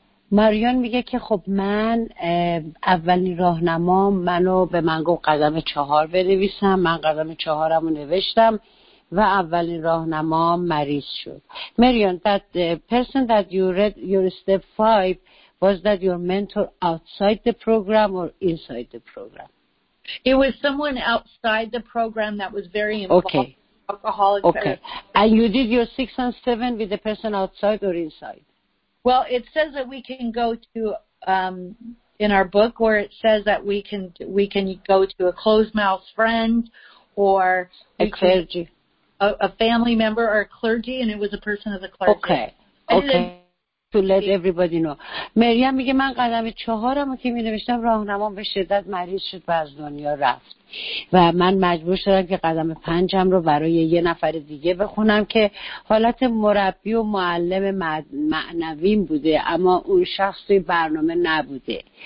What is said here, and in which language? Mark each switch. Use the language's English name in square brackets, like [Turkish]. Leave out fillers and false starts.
[Persian] ماریان میگه که خب من اولین راهنما منو به من گفت قدم چهار بنویسم، من قدم چهارمو نوشتم و اولین راهنما مریض شد. [English] Marian, that person that you read your step 5, was that your mentor outside the program or inside the program? It was someone outside the program that was very involved. Okay. Alcoholic. Okay. Therapy. And you did your 6 and 7 with the person outside or inside? Well, it says that we can go to, in our book, where it says that we can go to a closed mouth friend or a clergy, a family member or a clergy, and it was a person of the clergy. Okay. To let everybody know. [Persian] مریم میگه من قدم چهارم که می نوشتم راهنما به شدت مریض شد و از دنیا رفت و من مجبور شدم که قدم پنجم رو برای یه نفر دیگه بخونم که حالت مربی و معلم معنویم بوده اما اون شخص توی برنامه نبوده